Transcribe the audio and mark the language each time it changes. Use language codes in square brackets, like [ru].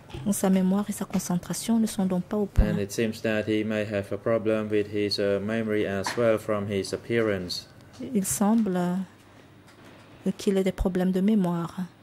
[fr] Sa mémoire et sa concentration ne sont donc pas au point. [en] And it seems that he may have a problem with his memory as well from his appearance. [fr] Il semble qu'il ait des problèmes de mémoire.